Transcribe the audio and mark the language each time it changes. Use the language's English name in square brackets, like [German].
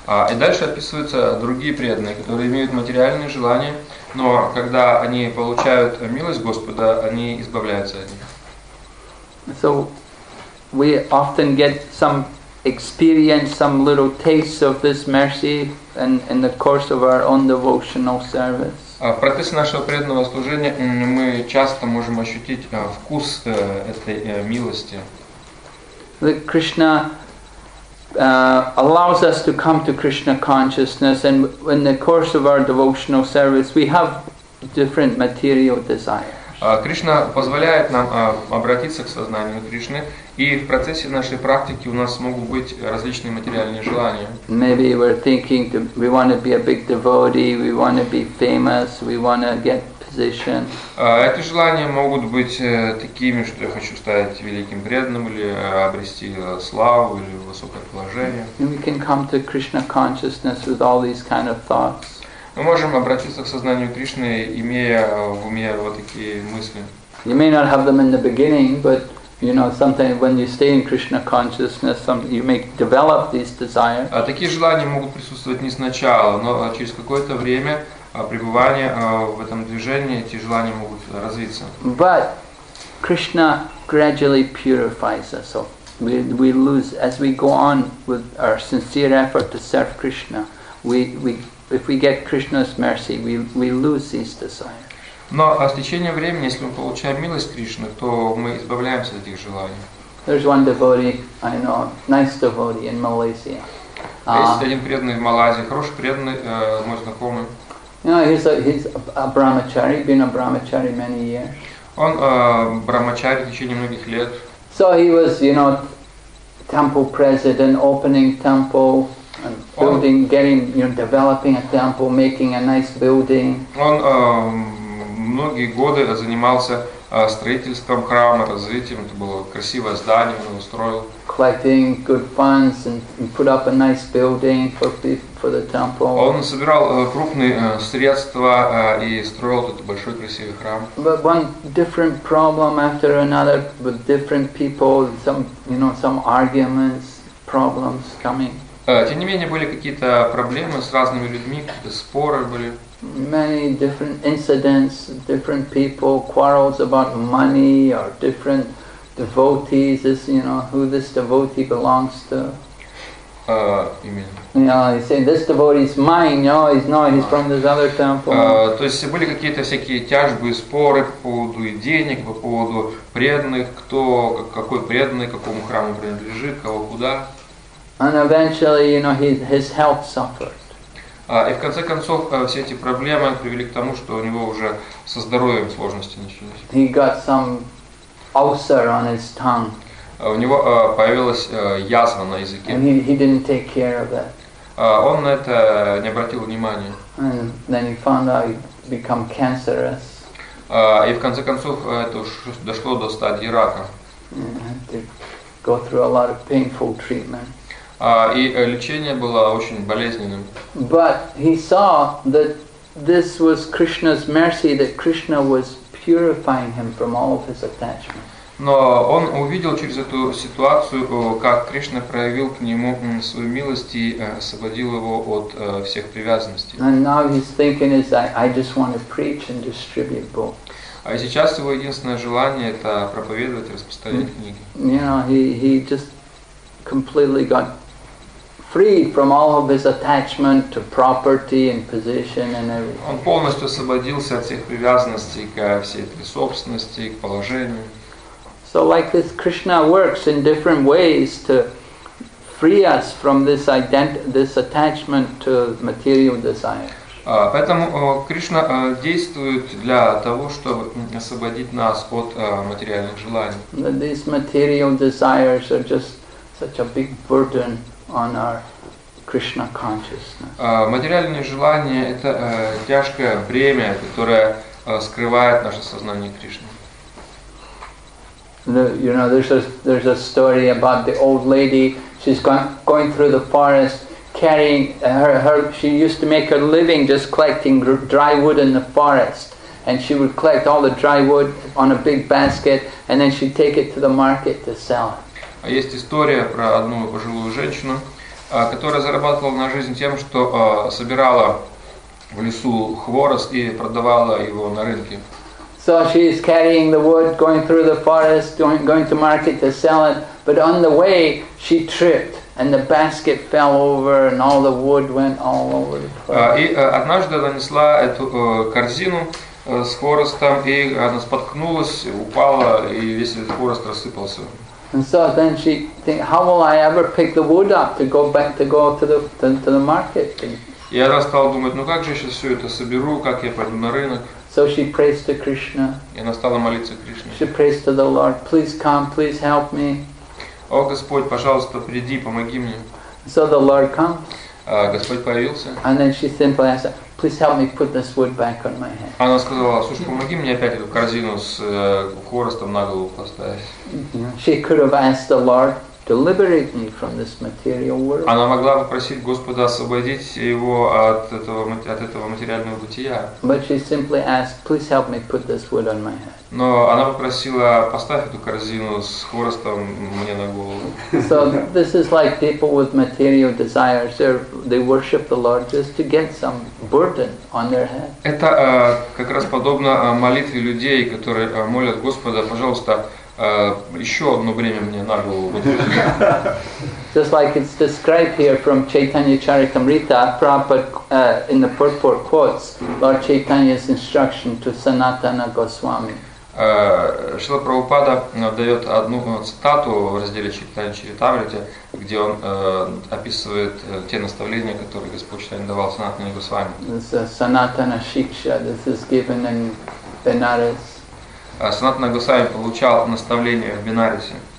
[Russian] И дальше описываются другие преданные, которые имеют материальные желания, но когда они получают милость Господа, они избавляются от них. [English] So we often get some experience, some little taste of this mercy in the course of our own devotional service. [Russian] В процессе нашего преданного служения мы часто можем ощутить вкус этой милости. [English] Allows us to come to Krishna consciousness, and in the course of our devotional service, we have different material desires. [Russian] Кришна позволяет нам обратиться к сознанию Кришны, и в процессе нашей практики у нас могут быть различные материальные желания. [English] Maybe we're thinking we want to be a big devotee, we want to be famous, we want to get position. [Russian] Эти желания могут быть такими, что я хочу стать великим преданным или обрести славу или высокое положение. [English] And we can come to Krishna consciousness with all these kind of thoughts. [Russian] Мы можем обратиться к сознанию Кришны, имея в уме вот такие мысли. [English] You may not have them in the beginning, but you know, sometimes when you stay in Krishna consciousness, you may develop these desires. [Russian] Такие желания могут присутствовать не сначала, но через какое-то время пребывания в этом движении эти желания могут развиться. [English] But Krishna gradually purifies us, so we lose as we go on with our sincere effort to serve Krishna. If we get Krishna's mercy, we lose these desires. [Russian] Но с течением времени, если мы получаем милость Кришны, то мы избавляемся от этих желаний. [English] There's one devotee I know, nice devotee in Malaysia. [Russian] Есть один преданный в Малайзии, хороший преданный, мой знакомый. [English] You know, he's a brahmachari, been a brahmachari many years. [Russian] Он брахмачари в течение многих лет. [English] So he was, you know, temple president, opening temple. And building, getting, you know, developing a temple, making a nice building. [Russian] Он многие годы занимался строительством храма, развитием. Это было красивое здание, он устроил. [English] Collecting good funds and put up a nice building for the temple. [Russian] Он собирал крупные средства и строил этот большой красивый храм. [English] But one different problem after another with different people, some arguments, problems coming. [Russian] Тем не менее, были какие-то проблемы с разными людьми, какие-то споры были. [English] many different incidents, different people, quarrels about money or different devotees, this, you know, who this devotee belongs to. You say this devotee is mine, no, he's not, he's from this other temple. [Russian] То есть были какие-то всякие тяжбы, споры по поводу и денег, по поводу преданных, кто какой преданный, какому храму принадлежит, кого куда. [English] And eventually, you know, his health suffered. [Russian] И в конце концов все эти проблемы привели к тому, что у него уже со здоровьем сложности начались. [English] He got some ulcer on his tongue. [Russian] У него появилась язва на языке. [English] And he didn't take care of that. [Russian] Он на это не обратил внимания. [English] And then he found out he became cancerous. [Russian] И в конце концов это уж дошло до стадии рака. [English] And he go through a lot of painful treatment. [Russian] И лечение было очень болезненным. [English] But he saw that this was Krishna's mercy, that Krishna was purifying him from all of his attachments. [Russian] Но он увидел через эту ситуацию, как Кришна проявил к нему свою милость и освободил его от всех привязанностей. А сейчас его единственное желание — это проповедовать, распространять книги. [English] He just completely got free from all of his attachment to property and position and everything. [Russian] Он полностью освободился от всех привязанностей ко всей этой собственности, к положению. [English] So like this, Krishna works in different ways to free us from this this attachment to material desire. [Russian] Поэтому Кришна действует для того, чтобы освободить нас от материальных желаний. [English] These material desires are just such a big burden on our Krishna consciousness. [Russian] Материальные желания — это тяжкое бремя, которое скрывает наше сознание Кришны. [English] You know, there's a story about the old lady. She's going through the forest, carrying her. She used to make her living just collecting dry wood in the forest, and she would collect all the dry wood on a big basket, and then she'd take it to the market to sell. [Russian] А есть история про одну пожилую женщину, которая зарабатывала на жизнь тем, что собирала в лесу хворост и продавала его на рынке. [English] So she is carrying the wood, going through the forest, going to market to sell it. But on the way, she tripped, and the basket fell over, and all the wood went all over the place. [Russian] И однажды она несла эту корзину с хворостом, и она споткнулась, упала, и весь этот хворост рассыпался. [English] And so then she think, how will I ever pick the wood up to go back to go to the market? [Russian] И она стала думать, ну как же я сейчас все это соберу, как я пойду на рынок? [English] So she prays to Krishna. [Russian] И она стала молиться Кришне. [English] She prays to the Lord, please come, please help me. [Russian] О Господь, пожалуйста, приди, помоги мне. [English] So the Lord comes. [Russian] Господь появился. [English] And then she simply asked, please help me put this wood back on my head. [Russian] Она сказала, слушай, помоги мне опять эту корзину с хворостом на голову поставить. [English] She could have asked the Lord to liberate me from this material world. [Russian] Она могла попросить Господа освободить его от этого материального бытия. [English] But she simply asked, please help me put this wood on my head. [Russian] Но она попросила, поставь эту корзину с хворостом мне на голову. [English] So this is like people with material desires. They worship the Lord just to get some burden on their head. [Russian] Это как раз подобно молитве людей, которые молят Господа, пожалуйста, еще одно время мне на голову. [English] Just like it's described here from Chaitanya Charitamrita, Prabhupada in the purport quotes Lord Chaitanya's instruction to Sanatana Goswami. [Russian] Шрила Прабхупада дает одну цитату в разделе Чайтанья Чаритамрита, где он описывает те наставления, которые Господь Чайтанья давал Санатане Госвами. [English] This is Sanatana Shiksha. This is given in Benares. [Russian] Санатана Госвами получал наставление в Бенарисе.